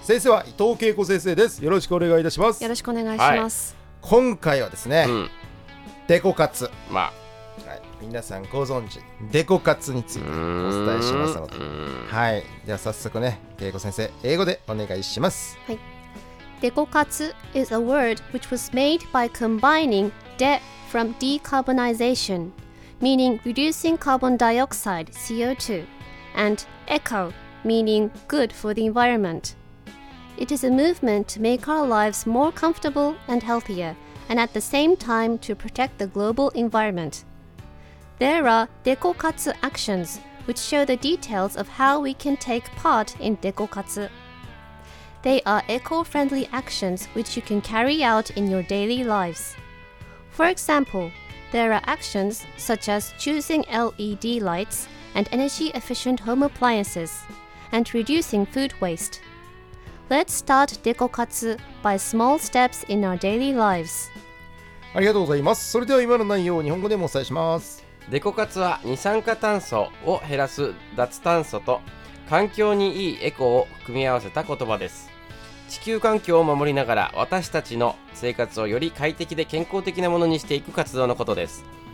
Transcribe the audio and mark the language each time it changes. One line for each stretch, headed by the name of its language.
Japanese: 先生は伊藤恵子先生です。よろしくお願いいたします。よろしくお願いします、はい、今回はですね、デコカツ、まあ皆さんご存知デコカツについてお伝えしますので、はい、では早速ね、恵子先生英語でお願いします。はい、
English: デコカツ is a word which was made by combining de from decarbonization, meaning reducing carbon dioxide CO2, and eco, meaning good for the environment. It is a movement to make our lives more comfortable and healthier, and at the same time to protect the global environment. There are Dekokatsu actions, which show the details of how we can take part in Dekokatsu. They are eco-friendly actions which you can carry out in your daily lives. For example, there are actions such as choosing LED lights and energy-efficient home appliances, and reducing food waste. Let's start Dekokatsu by small steps in our daily lives.
Japanese: ありがとうございます。それでは今の内容を日本語でもお伝えします。デコ活は二酸化炭素を減らす脱炭素と環境にいいエコを組み合わせた言葉です。地球環境を守りながら私たちの生活をより快適で健康的なものにしていく活動のことです。